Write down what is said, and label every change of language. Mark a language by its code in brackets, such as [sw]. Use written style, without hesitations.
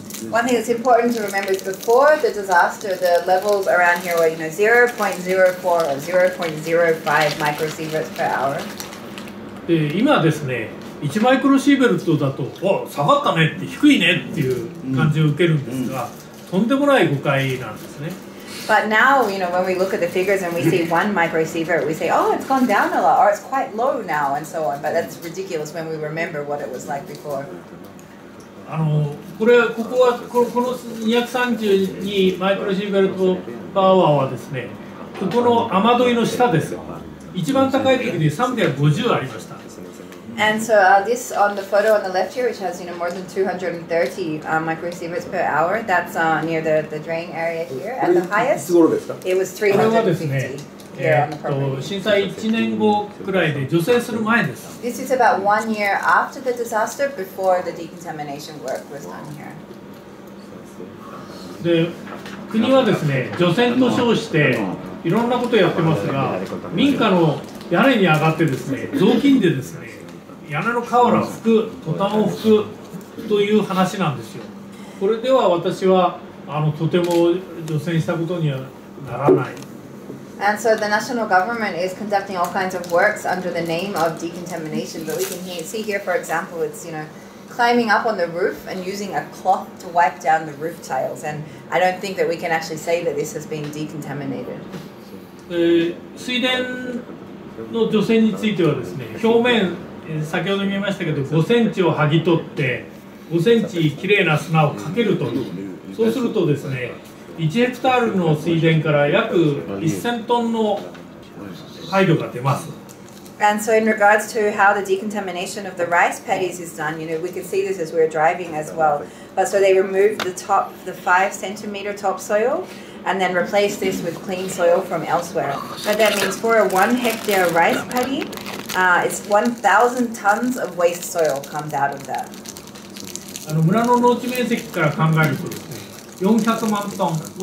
[en] One thing that's important to remember is before the disaster, the levels around here were, you know, 0.04 or 0.05 microsieverts per hour. [ja] で今ですね、1マイクロシーベルトだと、お、下がったねって低いねっていう感じを受けるんですが、とんでもない誤解なんですね。 [en] But now, you know, when we look at the figures and we see one microsievert, we say, oh, it's gone down a lot, or it's quite low now, and so on. But that's ridiculous when we remember what it was like before. [ja] これ、ここは、この232マイクロシーベルトパワーはですね、ここの雨どいの下ですよ。一番高い時で350ありました。 [en] And so this on the photo on the left here, which has you know more than 230 microsieverts per hour, that's near the drain area here. And the highest, it was 350. [ja] 震災1年後くらいで除染する前です。 [en] This is about one year after the disaster, before the decontamination work was done here. [ja] で、国はですね、除染と称して、いろんなことをやってますが、民家の屋根に上がってですね、雑巾でですね、屋根の瓦を拭く、トタンを拭くという話なんですよ。これでは私はとても除染したことにはならない。 [en] And so the national government is conducting all kinds of works under the name of decontamination. But we can see here, for example, it's, you know, climbing up on the roof and using a cloth to wipe down the roof tiles. And I don't think that we can actually say that this has been decontaminated. [ja] 水田の除染についてはですね、表面、先ほど見ましたけど、5センチを剥ぎ取って、5センチきれいな砂をかけると。そうするとですね、1ヘクタールの水田から約1000トンの廃炉が出ます。 [en] And so in regards to how the decontamination of the rice paddies is done, you know, we can see this as we're driving as well. But so they remove the top, the 5 centimeter topsoil, and then replace this with clean soil from elsewhere. But that means for a 1 hectare rice paddy, it's 1,000 tons of waste soil comes out of that. [ja] 村の農地面積から考えると、400万トン。